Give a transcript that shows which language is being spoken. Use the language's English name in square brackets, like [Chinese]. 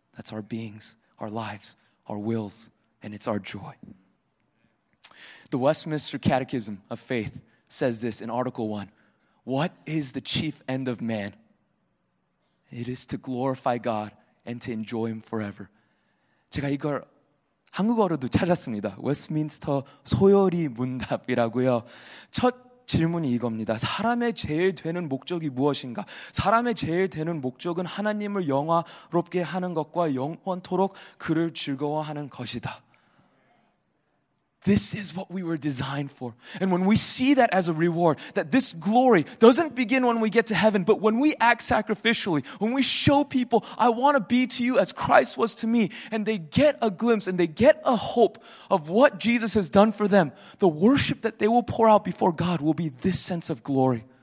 [English] That's our beings, our lives, our wills, and it's our joy. The Westminster Catechism of Faith says this in Article 1. What is the chief end of man? It is to glorify God and to enjoy him forever. [Korean] 제가 이걸 한국어로도 찾았습니다. 웨스트민스터 소요리 문답이라고요. 첫 질문이 이겁니다. 사람의 제일 되는 목적이 무엇인가? 사람의 제일 되는 목적은 하나님을 영화롭게 하는 것과 영원토록 그를 즐거워하는 것이다. [English] This is what we were designed for. And when we see that as a reward, that this glory doesn't begin when we get to heaven, but when we act sacrificially, when we show people, I want to be to you as Christ was to me, and they get a glimpse and they get a hope of what Jesus has done for them, the worship that they will pour out before God will be this sense of glory.